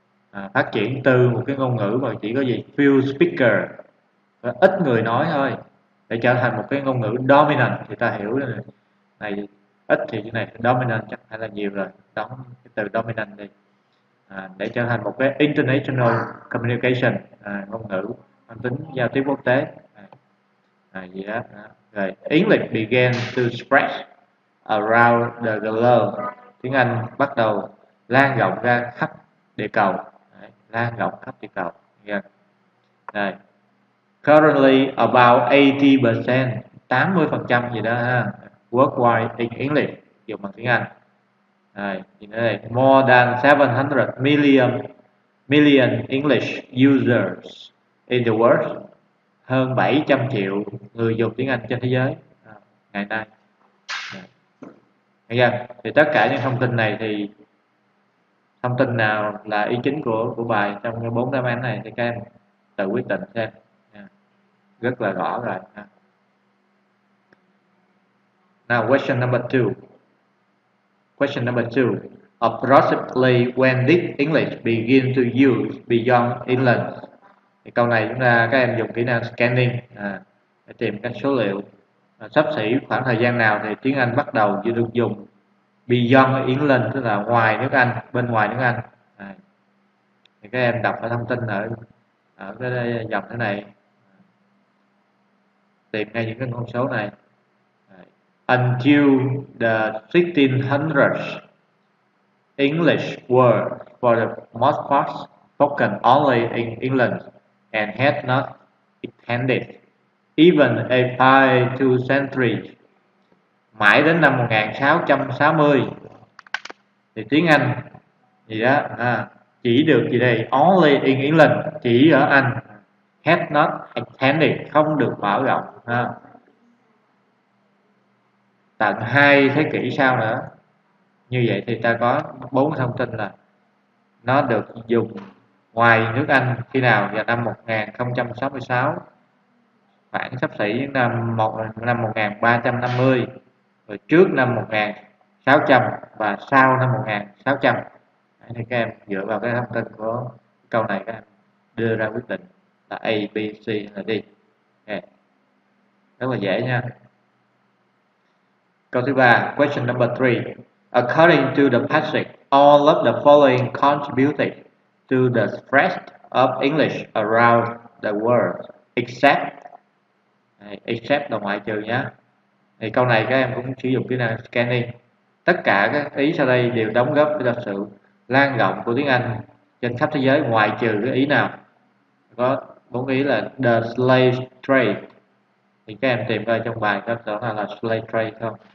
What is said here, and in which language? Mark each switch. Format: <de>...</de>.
<vi>À, phát triển từ một cái ngôn ngữ mà chỉ có gì</vi> <en>few speaker,</en> <vi>ít người nói thôi, để trở thành một cái ngôn ngữ dominant. Thì ta hiểu là này ít thì cái này dominant chắc phải là nhiều rồi, đóng cái từ dominant đi. À, để trở thành một cái</vi> <en>international communication,</en> <vi>à, ngôn ngữ mang tính giao tiếp quốc tế. À, gì đó.</vi> <en>Rồi, English began to spread around the globe.</en> <vi>Tiếng Anh bắt đầu lan rộng ra khắp địa cầu. Đấy, lan rộng khắp địa cầu.</vi> <en>Yeah. Đây. Currently about 80%, 80% gì đó ha, worldwide in English,</en> <vi>dùng bằng tiếng Anh. Đây, thì đây,</vi> <en>more than 700 million English users in the world.</en> <vi>Hơn 700 triệu người dùng tiếng Anh trên thế giới ngày nay. Yeah. Thì tất cả những thông tin này thì thông tin nào là ý chính của bài trong cái 4 đáp án này thì các em tự quyết định xem. Rất là rõ rồi.</vi> <en>Now question number two. Approximately when did English begin to use beyond England?</en> <vi>Thì câu này chúng ta các em dùng kỹ năng scanning để tìm các số liệu xấp xỉ khoảng thời gian nào thì tiếng Anh bắt đầu được dùng</vi> <en>beyond England,</en> <vi>tức là ngoài nước Anh, bên ngoài nước Anh. À, thì các em đọc cái thông tin ở ở cái đây, dọc thế này, tìm ngay những cái con số này.</vi> <en>Until the 1600s, English were for the most part spoken only in England and had not extended even a five to century.</en> <vi>Mãi đến năm 1660 thì tiếng Anh gì đó chỉ được gì đây,</vi> <en>only in England,</en> <vi>chỉ ở Anh,</vi> <en>had not extended,</en> <vi>không được mở rộng tận hai thế kỷ sau nữa. Như vậy thì ta có bốn thông tin là nó được dùng ngoài nước Anh khi nào, vào năm 1066, khoảng sắp xỉ năm một năm 1350, rồi trước năm 1600 và sau năm 1600. Thì các em dựa vào cái thông tin của câu này các em đưa ra quyết định là A, B, C hay là D. Okay. Rất là dễ nha. Câu thứ ba,</vi> <en>question number three. According to the passage, all of the following contributed to the spread of English around the world, except except</en> <vi>là ngoại trừ nhé. Thì câu này các em cũng sử dụng cái năng scanning. Tất cả các ý sau đây đều đóng góp cho sự lan rộng của tiếng Anh trên khắp thế giới, ngoại trừ cái ý nào? Có bốn ý là the slave trade. Thì các em tìm ra trong bài các chỗ nào là slave trade không?</vi>